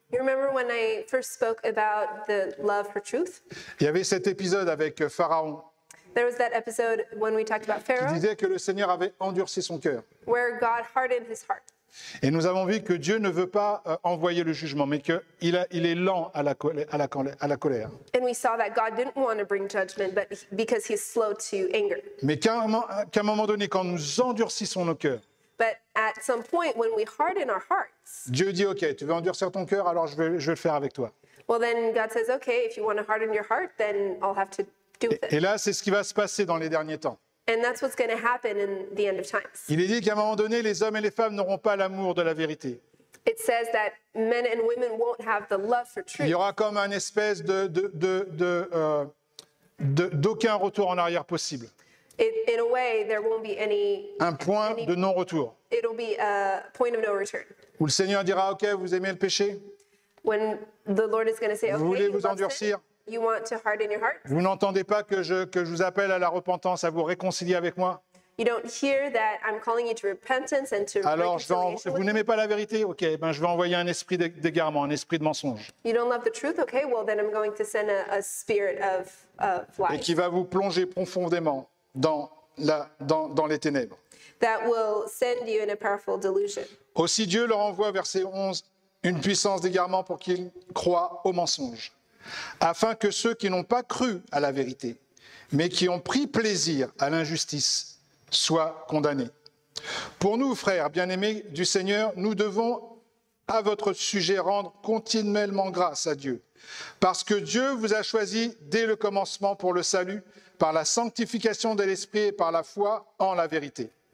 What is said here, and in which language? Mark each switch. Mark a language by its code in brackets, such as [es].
[en] You remember when I first spoke about the love for truth? [fr] Il y avait cet épisode avec Pharaon. [en] There was that episode when we talked about Pharaoh. [fr] Qui disait que le Seigneur avait endurci son cœur. [en] Where God hardened his heart. [fr] Et nous avons vu que Dieu ne veut pas envoyer le jugement, mais qu'il est lent à la colère. [en] And we saw that God didn't want to bring judgment, but because he's slow to anger. [fr] Mais qu'à un moment donné, quand nous endurcissons nos cœurs. [en] But at some point, when we harden our hearts, [fr] Dieu dit, OK, tu veux endurcir ton cœur, alors je vais le faire avec toi. [en] Well, then God says, OK, if you want to harden your heart, then I'll have to do with it. [fr] Et là, c'est ce qui va se passer dans les derniers temps. [en] And that's what's going to happen in the end of times. [fr] Il est dit qu'à un moment donné, les hommes et les femmes n'auront pas l'amour de la vérité. [en] It says that men and women won't have the love for truth. [fr] Il y aura comme un espèce d'aucun retour en arrière possible. [en] In a way, there won't be any, [fr] un point [en] any, [fr] de non-retour. [en] It'll be a point of no return. [fr] Où le Seigneur dira, OK, vous aimez le péché. [en] When the Lord is going to say, [fr] vous [en] okay, [fr] voulez vous endurcir. [en] You want to harden your heart. [fr] Vous n'entendez pas que je vous appelle à la repentance, à vous réconcilier avec moi. [en] You don't hear that I'm calling you to repentance and to [fr] alors, vous n'aimez pas la vérité, OK, ben je vais envoyer un esprit d'égarement, un esprit de mensonge. [en] You don't love the truth, OK, well then I'm going to send a spirit of lies. [fr] Et qui va vous plonger profondément dans les ténèbres. [en] That will send you in a powerful delusion. [fr] Aussi Dieu leur envoie, verset 11, une puissance d'égarement pour qu'ils croient au mensonge, afin que ceux qui n'ont pas cru à la vérité, mais qui ont pris plaisir à l'injustice, soient condamnés. Pour nous, frères bien-aimés du Seigneur, nous devons à votre sujet rendre continuellement grâce à Dieu, parce que Dieu vous a choisi dès le commencement pour le salut, par la sanctification de l'Esprit et par la foi en la vérité.